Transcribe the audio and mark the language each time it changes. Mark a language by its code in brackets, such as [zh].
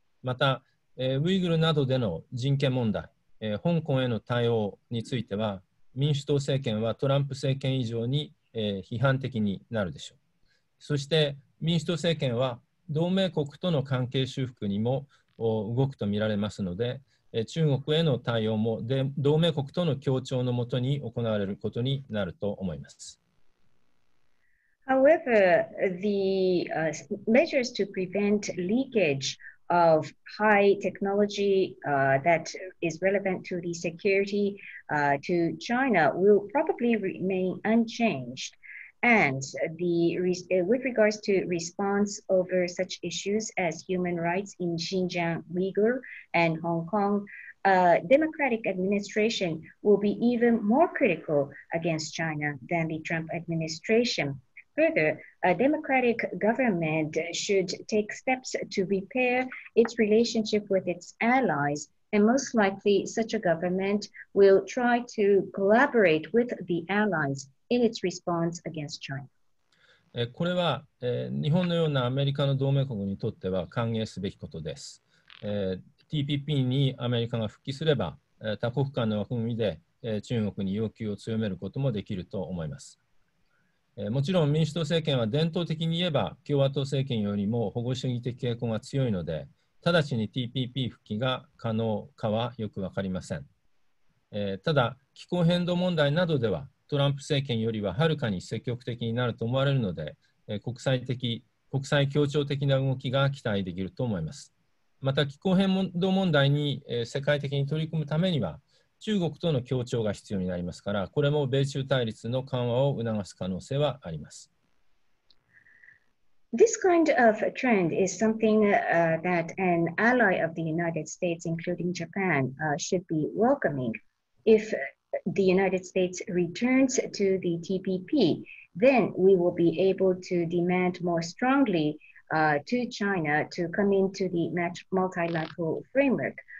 [ja] また、ウイグルなどでの人権問題、香港への対応については、民主党政権はトランプ政権以上に、批判的になるでしょう。そして、民主党政権は同盟国との関係修復にも動くとみられますので、中国への対応も同盟国との協調のもとに行われることになると思います。 [en] However, the measures to prevent leakage of high technology that is relevant to the security to China will probably remain unchanged. And the, with regards to response over such issues as human rights in Xinjiang Uyghur and Hong Kong, a democratic administration will be even more critical against China than the Trump administration. Further, a democratic government should take steps to repair its relationship with its allies. And most likely, such a government will try to collaborate with the allies in its response against China. [ja] これは、日本のようなアメリカの同盟国にとっては歓迎すべきことです。 TPP にアメリカが復帰すれば、多国間の枠組みで、中国に要求を強めることもできると思います。もちろん民主党政権は伝統的に言えば、共和党政権よりも保護主義的傾向が強いので、直ちに TPP 復帰が可能かはよくわかりません。ただ、気候変動問題などではトランプ政権よりははるかに積極的になると思われるので、国際協調的な動きが期待できると思います。また、気候変動問題に、世界的に取り組むためには、中国との協調が必要になりますから、これも米中対立の緩和を促す可能性はあります。 [en] This kind of trend is something that an ally of the United States, including Japan, should be welcoming. If the United States returns to the TPP, then we will be able to demand more strongly to China to come into the multilateral framework.